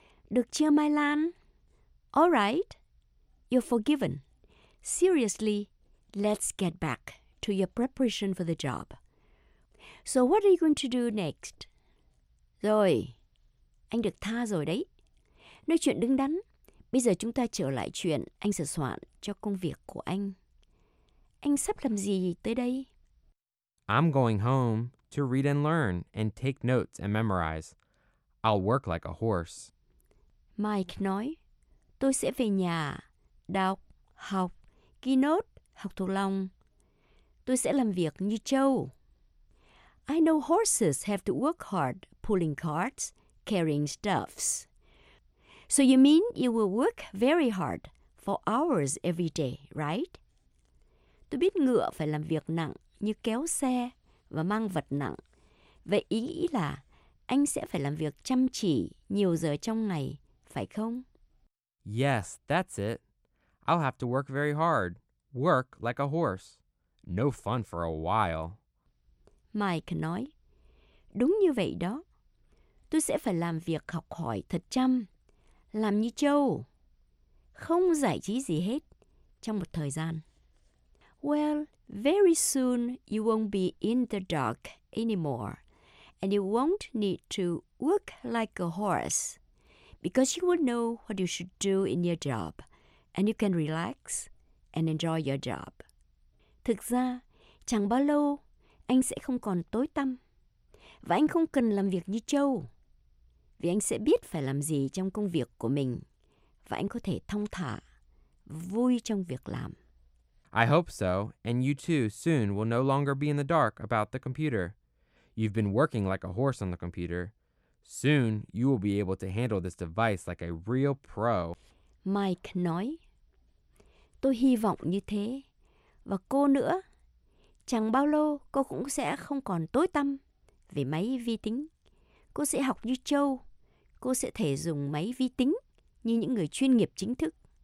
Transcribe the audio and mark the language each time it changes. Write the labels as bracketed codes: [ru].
[vi] Được chưa, [en] Mylon? All right, you're forgiven. Seriously, let's get back to your preparation for the job. So what are you going to do next? [vi] Rồi, anh được tha rồi đấy. Nói chuyện đứng đắn. Bây giờ chúng ta trở lại chuyện anh sửa soạn cho công việc của anh. Anh sắp làm gì tới đây? [en] I'm going home to read and learn and take notes and memorize. I'll work like a horse. [vi] Mike nói, tôi sẽ về nhà, đọc, học, ghi nốt, học thuộc lòng. Tôi sẽ làm việc như trâu. [en] I know horses have to work hard pulling carts, carrying stuffs. So you mean you will work very hard for hours every day, right? [vi] Tôi biết ngựa phải làm việc nặng như kéo xe và mang vật nặng. Vậy ý nghĩ là anh sẽ phải làm việc chăm chỉ nhiều giờ trong ngày, phải không? [en] Yes, that's it. I'll have to work very hard. Work like a horse. No fun for a while. [vi] Mike nói, đúng như vậy đó. Tôi sẽ phải làm việc học hỏi thật chăm, làm như trâu, không giải trí gì hết trong một thời gian. [en] Well, very soon you won't be in the dark anymore, and you won't need to work like a horse, because you will know what you should do in your job, and you can relax and enjoy your job. [vi] Thực ra, chẳng bao lâu, anh sẽ không còn tối tăm, và anh không cần làm việc như trâu, vì anh sẽ biết phải làm gì trong công việc của mình, và anh có thể thong thả, vui trong việc làm. [en] I hope so, and you too soon will no longer be in the dark about the computer. You've been working like a horse on the computer. Soon, you will be able to handle this device like a real pro. [vi] Mike nói, tôi hy vọng như thế. Và cô nữa, chẳng bao lâu cô cũng sẽ không còn tối tăm về máy vi tính. Cô sẽ học như trâu. Cô sẽ thể dùng máy vi tính như những người chuyên nghiệp chính thức.